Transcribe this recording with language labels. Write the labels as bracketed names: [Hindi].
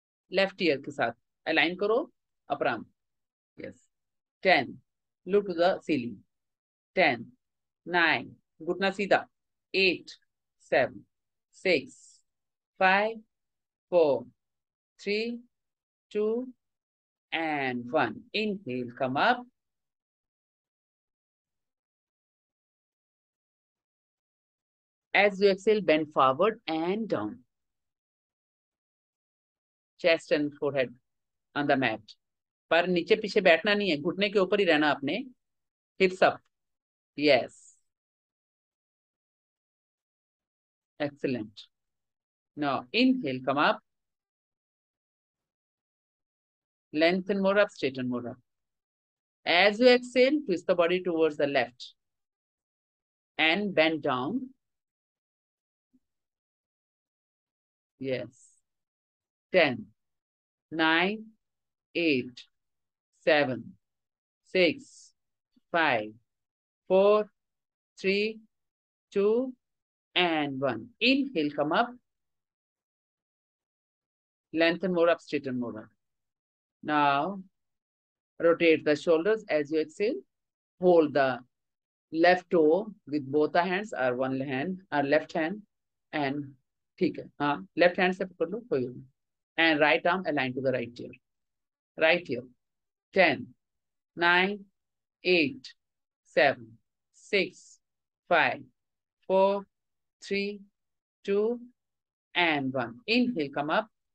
[English] Left ear [Hindi] ke saath. [English] Align [Hindi] karo, [English] upper arm. Yes. 10. Look to the ceiling. 10. 9. [Hindi] Ghutna seedha. [English] 8. 7. 6. 5. 4. 3. 2 and 1. Inhale, come up. As you exhale, bend forward and down. Chest and forehead on the mat. [Hindi] पर नीचे पीछे बैठना नहीं है, घुटने के ऊपर ही रहना आपने, हिप्स up. [English] Yes excellent. Now inhale come up, lengthen more up, straighten more up. As you exhale twist the body towards the left and bend down. Yes 10, 9, 8, 7, 6, 5, 4, 3, 2, and 1. Inhale, come up. Lengthen more up, straighten more up. Now, rotate the shoulders as you exhale. Hold the left toe with both the hands, or one hand, or left hand, and [Hindi] ठीक है हाँ left hand से पकड़ लो कोई नहीं [English] And right arm align to the right ear. Right ear 10, 9, 8, 7, 6, 5, 4, 3, 2, and 1. Inhale come up.